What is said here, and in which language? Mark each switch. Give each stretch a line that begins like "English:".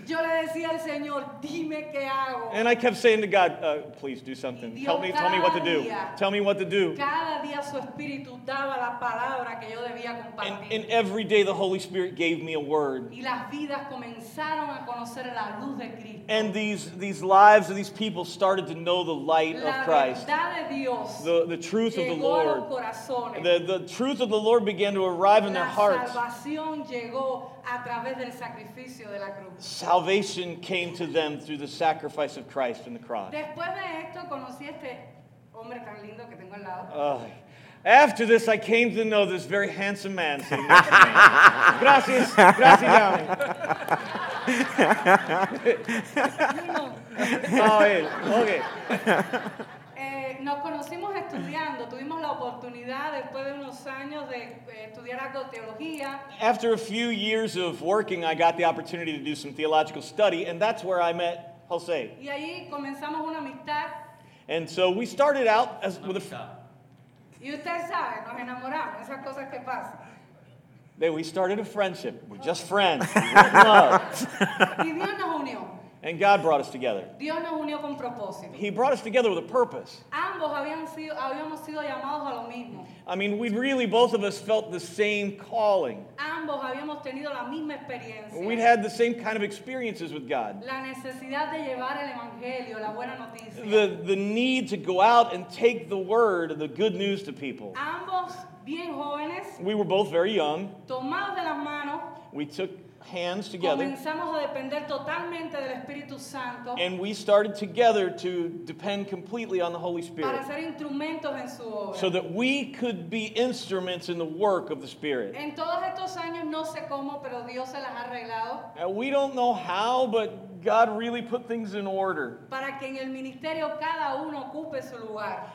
Spanish: Yo le decía al Señor, dime qué hago.
English: And I kept saying to God, please do something.
Spanish: Dios,
English: help me, tell me what to do.
Spanish: Día,
English: tell me what to do.
Spanish: Cada día su espíritu daba la palabra que yo debía compartir.
English: And every day the Holy Spirit gave me a word.
Spanish: Y las vidas comenzaron a conocer la luz de Cristo.
English: And these lives of these people started to know the light
Spanish: la
English: of Christ.
Spanish: Verdad de Dios
English: the truth
Spanish: llegó
English: of the Lord.
Spanish: A los corazones.
English: The truth of the Lord began to arrive in
Spanish: la
English: their hearts.
Spanish: Salvación llegó a través del sacrificio de la cruz.
English: Salvation came to them through the sacrifice of Christ and the cross.
Spanish: Después de esto conocí este hombre tan lindo que tengo al lado.
English: After this, I came to know this very handsome man.
Spanish: Gracias, gracias, Dami.
English: Oh, él. Okay.
Spanish: Nos conocimos estudiando. Tuvimos la oportunidad después de unos años de estudiar algo de teología.
English: After a few years of working, I got the opportunity to do some theological study, and that's where I met Jose.
Spanish: Y ahí comenzamos una amistad.
English: And so we started out as with a.
Spanish: Y usted sabe, nos enamoramos. Esas cosas que pasan.
English: Then we started a friendship. We're just friends.
Spanish: Y Dios nos unió.
English: And God brought us together.
Spanish: Dios nos unió con propósito.
English: He brought us together with a purpose.
Spanish: Ambos habíamos sido llamados a lo mismo.
English: I mean, we really, both of us felt the same calling.
Spanish: Ambos habíamos tenido la misma experiencia.
English: We'd had the same kind of experiences with God.
Spanish: La necesidad de llevar el evangelio, la buena noticia.
English: The need to go out and take the word, the good news to people.
Spanish: Ambos bien jóvenes.
English: We were both very young.
Spanish: Tomados de las manos.
English: We took hands together.
Spanish: Comenzamos a depender totalmente del Espíritu Santo.
English: And we started together to depend completely on the Holy Spirit.
Spanish: Para ser instrumentos en su obra.
English: So that we could be instruments in the work of the Spirit.
Spanish: En todos estos años no sé cómo, pero Dios se las ha arreglado.
English: And we don't know how, but God really put things in order.
Spanish: Para que en el ministerio cada uno ocupe su lugar.